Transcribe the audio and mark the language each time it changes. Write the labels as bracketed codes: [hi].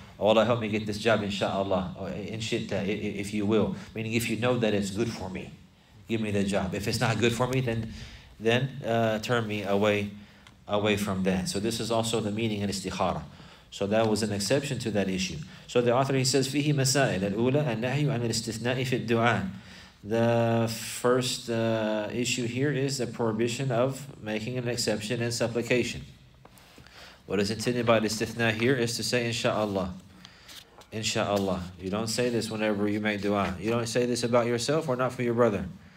[en] Oh Allah, help me get this job, inshaAllah, or inshitta, if you will. Meaning if you know that it's good for me, give me the job. If it's not good for me, then turn me away from that. So this is also the meaning in istikhara. So that was an exception to that issue. So the author, he says, [ar] فِيهِ مَسَائِلَ الْأُولَى النَّهْيُ عَنِ الْإِسْتِثْنَاءِ فِي الدُّعَاءِ. [en] The first issue here is the prohibition of making an exception in supplication. What is intended by the istithna here is to say, inshaAllah. InshaAllah. You don't say this whenever you make dua. You don't say this about yourself or not for your brother.